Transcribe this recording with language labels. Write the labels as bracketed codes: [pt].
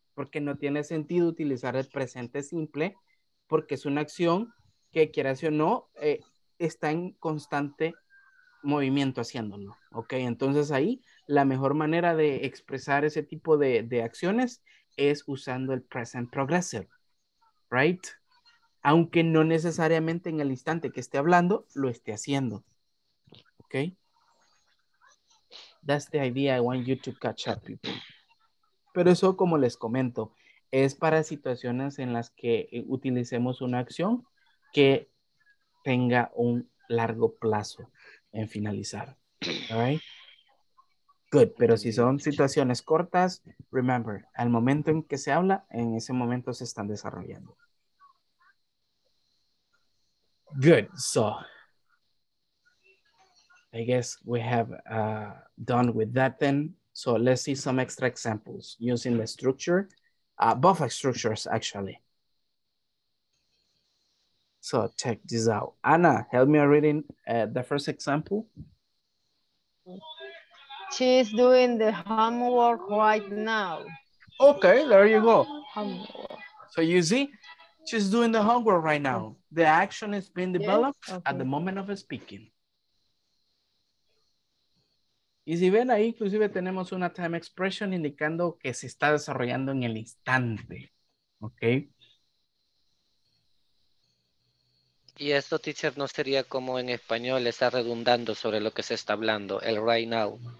[es] Porque no tiene sentido utilizar el presente simple, porque es una acción que, quieras o no, está en constante movimiento haciéndolo, ¿ok? Entonces ahí, la mejor manera de expresar ese tipo de acciones es usando el present progressive, ¿right? Aunque no necesariamente en el instante que esté hablando, lo esté haciendo, ¿ok? [en] That's the idea I want you to catch up, people. [es] Pero eso, como les comento, es para situaciones en las que utilicemos una acción que tenga un largo plazo en finalizar. [en] All right? Good. [es] Pero si son situaciones cortas, remember, al momento en que se habla, en ese momento se están desarrollando. [en] Good. So, I guess we have done with that then. So let's see some extra examples using the structure, both structures actually. So check this out. Anna, help me reading the first example. She's doing the homework right now. Okay, there you go. Homework. So you see, she's doing the homework right now. The action is being developed at the moment of speaking. [es] Y si ven ahí, inclusive tenemos una time expression indicando que se está desarrollando en el instante. ¿Ok? Y esto, teacher, no sería como en español, está redundando sobre lo que se está hablando, el right now.